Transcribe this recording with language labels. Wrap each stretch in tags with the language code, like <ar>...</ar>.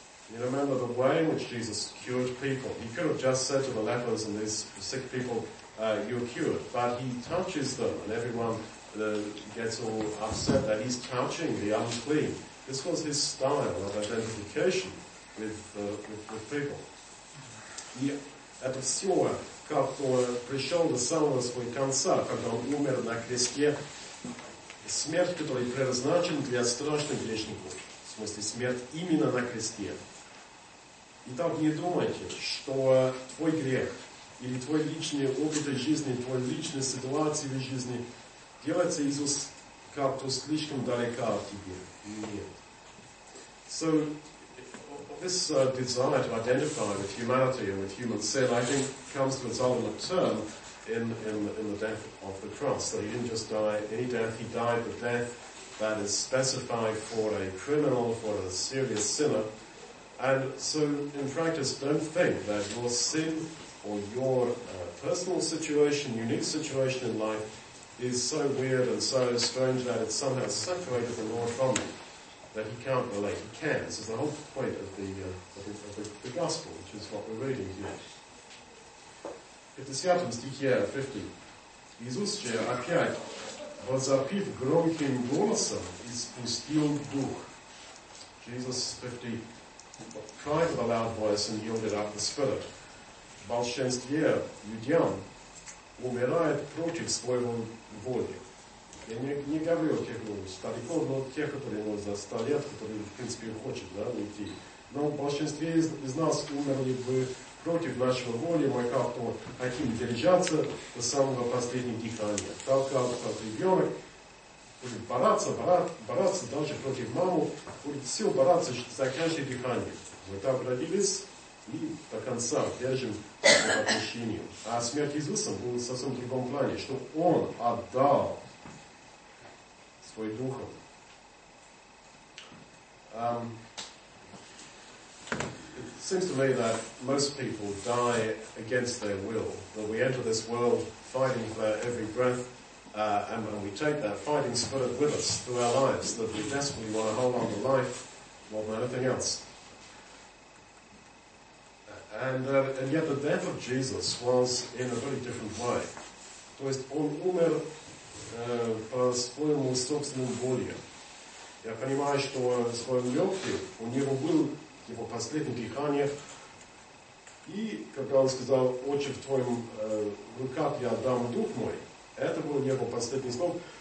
<en>You remember the way in which Jesus cured people. He could have just said to the lepers and these sick people, you're cured. But he touches them and everyone gets all upset that he's touching the unclean. This was his style of identification with people.</en> <ru>И это все, как пришел до самого своего конца, когда он умер на кресте, смерть, которая предназначена для страшных грешников, в смысле смерть именно на кресте. И так не думайте, что твой грех или твой личный опыт жизни, твой личная ситуация в жизни делается Иисус как-то слишком далеко от тебя. Нет.</ru> <en>So, this desire to identify with humanity and with human sin, I think, comes to its ultimate term in the death of the cross. So he didn't just die any death, he died the death that is specified for a criminal, for a serious sinner. And so, in practice, don't think that your sin or your personal situation, unique situation in life, is so weird and so strange that it's somehow separated the Lord from you, that he can't relate. He can. This is the whole point of the Gospel, which is what we're reading here.</en> <ru>В 50 стихе 50. Иисус же опять возопив громким голосом и спустил дух.</ru> <en>Jesus 50. Cried with a loud voice and yielded up the spirit.</en> <ru>Большинство людям умирает против своего воли. Я не говорю тех стариков, но тех, которые ему за 100 лет, которые в принципе хочет, да, уйти. Но большинство из нас умерли бы против нашего воли, мы как-то хотим держаться до самого последнего дыхания. Так как ребенок будет бороться даже против маму, будет все бороться за каждое дыхание. Мы так родились и до конца держим это отношение. А смерть Иисуса была в совсем другом плане, что Он отдал своим духом.</ru> <en>It seems to me that most people die against their will, that we enter this world fighting for every breath. And we take that fighting spirit with us through our lives, that we desperately want to hold on to life more than anything else. And yet the death of Jesus was in a very different way.</en> <ru>То есть он умер по своему собственному воле. Я понимаю, что в своем легке у него был его последнее дыхание. И когда он сказал, Отче, в твоем руках я отдам дух мой, это был его последний слов.</ru>